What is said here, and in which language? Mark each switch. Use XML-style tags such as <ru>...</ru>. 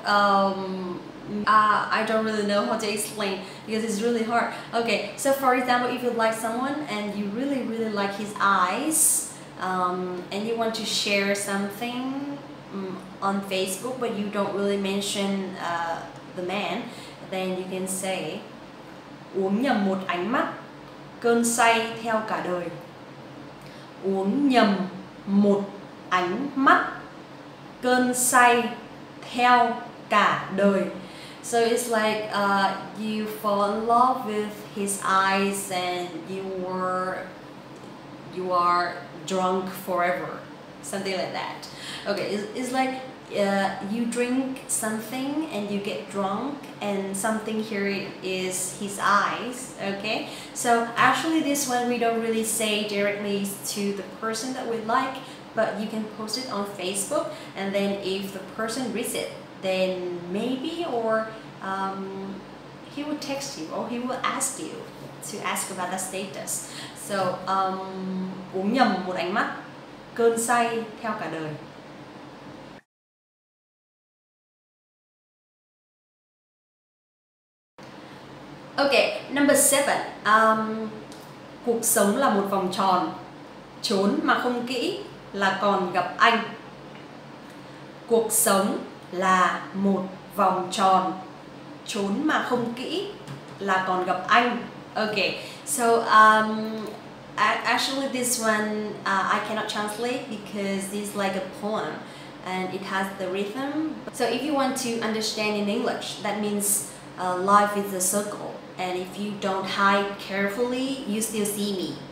<en>I don't really know how to explain because it's really hard. Okay, so for example, if you like someone and you really, really like his eyes, and you want to share something on Facebook, but you don't really mention the man, then you can say,</en> <vi>Uống nhầm một ánh mắt, cơn say theo cả đời. Uống nhầm một ánh mắt, cơn say theo cả đời.</vi> <en>So it's like you fall in love with his eyes and you are drunk forever, something like that. Okay, it's like you drink something and you get drunk, and something here is his eyes. Okay, so actually this one we don't really say directly to the person that we like, but you can post it on Facebook, and then if the person reads it, then maybe he will text you or he will ask you to ask about the status. So,</en> <vi>uống nhầm một ánh mắt, cơn say theo cả đời.</vi> <en>Okay, number 7.</en> <vi>Cuộc sống là một vòng tròn, trốn mà không kỹ là còn gặp anh. Cuộc sống là một vòng tròn, trốn mà không kỹ là còn gặp anh.</vi> <en>Okay, so actually this one I cannot translate because it's like a poem and it has the rhythm. So if you want to understand in English, that means life is a circle, and if you don't hide carefully, you still see me.</en>